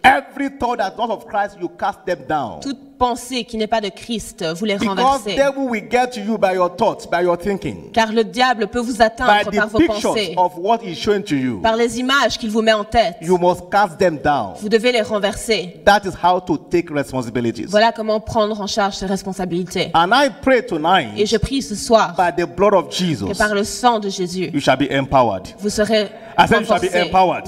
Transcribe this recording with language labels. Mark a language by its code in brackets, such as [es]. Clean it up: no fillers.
[en] Every thought that's not of Christ, you cast them down. [fr] Toute pensée qui n'est pas de Christ, vous les [en] because [fr] renversez. [en] Because devil will get to you by your thoughts, by your thinking. [fr] Car le diable peut vous atteindre [en] by [fr] par vos pensées. [en] By the pictures of what he's showing to you. [fr] Par les images qu'il vous met en tête. [en] You must cast them down. [fr] Vous devez les renverser. [en] That is how to take responsibilities. [fr] Voilà comment prendre en charge ses responsabilités. [en] And I pray tonight. [fr] Et je prie ce soir. [en] By the blood of Jesus. [fr] Que par le sang de Jésus. [en] You shall be empowered. [fr] Vous serez [en] I said you shall be empowered.